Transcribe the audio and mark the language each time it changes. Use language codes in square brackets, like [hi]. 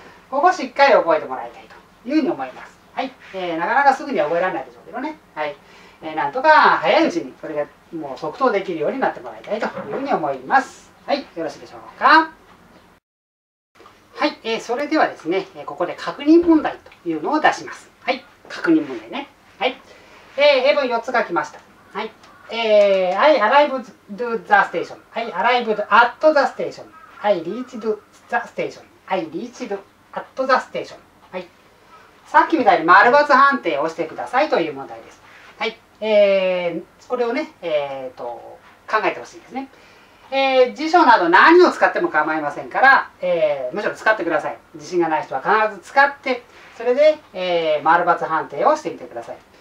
[ja] ここしっかり覚えてもらいたいというふうに思います。はい。なかなかすぐには覚えられないでしょうけどね。はい。なんとか早いうちにこれがもう即答できるようになってもらいたいというふうに思います。はい。よろしいでしょうか？はい。それではですね、ここで確認問題というのを出します。はい。確認問題ね。はい。英文4つ書きました。はい。 [en] I arrived at the station. I arrived at the station. I reached the station. I reached at the station. [ja] はい。さっきみたいに丸×判定をしてくださいという問題です。はい。これをね、考えてほしいですね。辞書など何を使っても構いませんから、むしろ使ってください。自信がない人は必ず使って、それで、丸×判定をしてみてください。